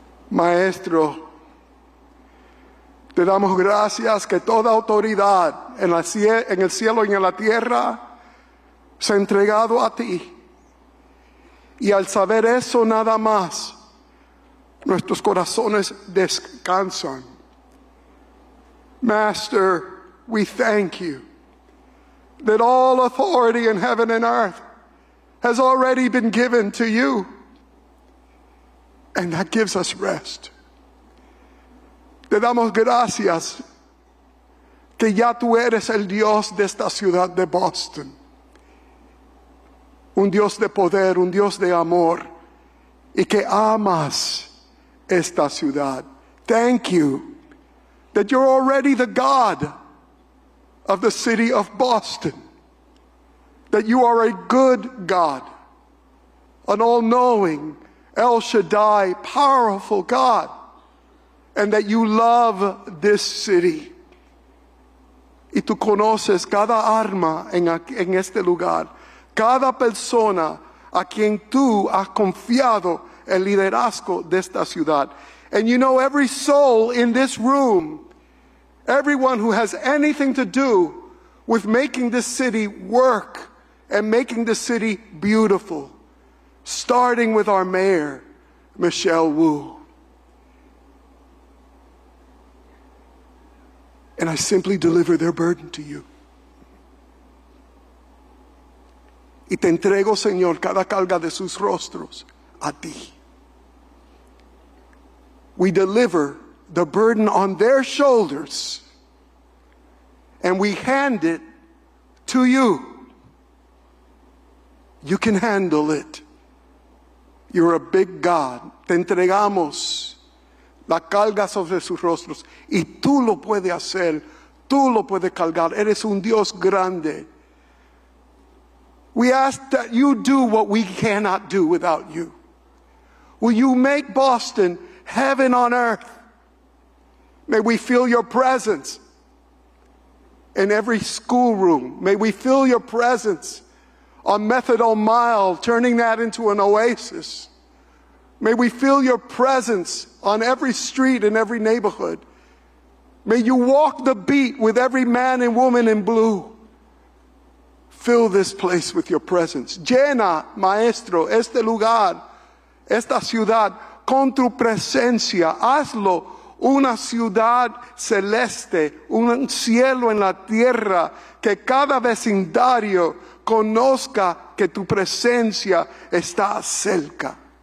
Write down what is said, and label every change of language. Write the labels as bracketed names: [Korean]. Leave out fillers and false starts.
[Spanish] Maestro, te damos gracias que toda autoridad en el cielo y en la tierra se ha entregado a ti. Y al saber eso nada más, nuestros corazones descansan. [English] Master, we thank you that all authority in heaven and earth has already been given to you. And that gives us rest. [Spanish] Te damos gracias que ya tú eres el Dios de esta ciudad de Boston. Un Dios de poder, un Dios de amor. Y que amas esta ciudad. [English] Thank you that you're already the God of the city of Boston. That you are a good God, an all-knowing, El Shaddai, powerful God, and that you love this city. [Spanish] Y tú conoces cada arma en este lugar, cada persona a quien tú has confiado el liderazgo de esta ciudad. [English] And you know every soul in this room, everyone who has anything to do with making this city work and making the city beautiful, starting with our mayor, Michelle Wu. And I simply deliver their burden to you. [Spanish] Y te entrego, Señor, cada carga de sus rostros a ti. [English] We deliver the burden on their shoulders, and we hand it to you. You can handle it. You're a big God. [Spanish] Te entregamos la carga sobre sus rostros. Y tú lo puedes hacer. Tú lo puedes cargar. Eres un Dios grande. [English] We ask that you do what we cannot do without you. Will you make Boston heaven on earth? May we feel your presence in every schoolroom. May we feel your presence on Methadone Mile, turning that into an oasis. May we feel your presence on every street in every neighborhood. May you walk the beat with every man and woman in blue. Fill this place with your presence. [Spanish] Llena, maestro, este lugar, esta ciudad, con tu presencia. Hazlo una ciudad celeste, un cielo en la tierra, que cada vecindario conozca que tu presencia está cerca.